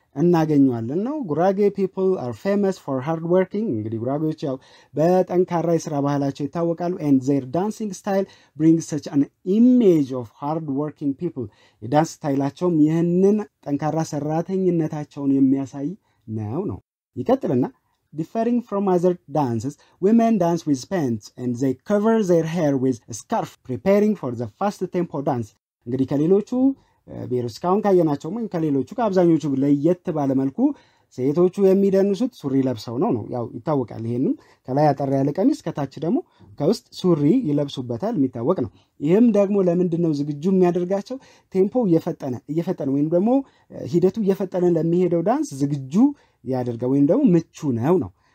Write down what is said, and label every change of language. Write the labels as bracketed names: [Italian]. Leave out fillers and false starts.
[Amharic] እናገኛለን ነው። [English] gurage people are famous for hard working [Amharic] እንግዲህ gurageዎች ያው በጠንካራ የሥራ ባህላቸው ይታወቃሉ። [English] and their dancing style brings such an image of hard working people [Amharic] የዳንስ ስታይላቸውም ይህንን ጠንካራ ሰራተኝነታቸውን የሚያሳይ ነው ነው። ይቀጥልና [English] Differing from other dances, women dance with pants and they cover their hair with a scarf, preparing for the fast tempo dance. [Amharic] እንግዲህ ከሌሎቹ ቢሩስካውን ካየናቸው ምን ከሌሎቹ ከአብዛኞቹ ለየት ባለ መልኩ ሴቶቹ የሚደንሱት ሱሪ ለብሰው ነው ያው ይታወቃል ይሄንም ከላይ አጠር ያለ ቀሚስ ከታች ደግሞ ከውስጥ ሱሪ ይለብሱበታል የሚታወቅ ነው ይሄም ደግሞ ለምንድነው ዝግጁ የሚያደርጋቸው ቴምፖ እየፈጠነ ወይንም ደግሞ ሂደቱ እየፈጠነ ለሚሄደው ዳንስ ዝግጁ ያደርጋ ወይንም ደግሞ ምቹ ነው ነው